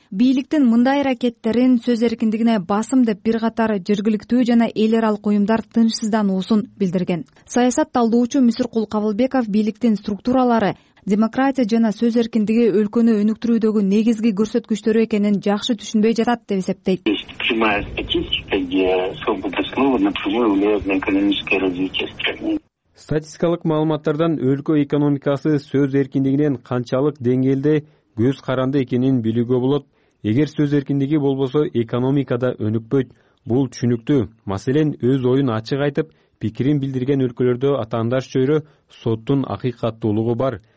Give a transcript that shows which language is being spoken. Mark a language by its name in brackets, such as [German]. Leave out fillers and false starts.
[Kyrgyz] Бийликтин мындай аракеттерин сөз эркиндигине басым деп бир катар жергиликтүү жана эл аралык уюмдар тынчсыздануусун билдирген. Саясат талдоочу Мүсүркул Кабылбеков бийликтин структуралары демократия жана сөз эркиндиги өлкөнү өнүктүрүүдөгү негизги көрсөткүчтөрү экенин жакшы түшүнбөй жатат деп эсептейт. [Russian] Прямая статистика, где свобода слова напрямую влияет на экономическое развитие страны. [Kyrgyz] Статистикалык маалыматтардан өлкө экономикасы сөз эркиндигинен канчалык деңгээлде көз каранды экенин билүүгө болот. Эгер сөз эркиндиги болбосо, экономика да өнүкпөйт. Бул түшүнүктүү. Маселен, өз оюн ачык айтып, пикирин билдирген өлкөлөрдө атаандаш чөйрө соттун акыйкаттуулугу бар.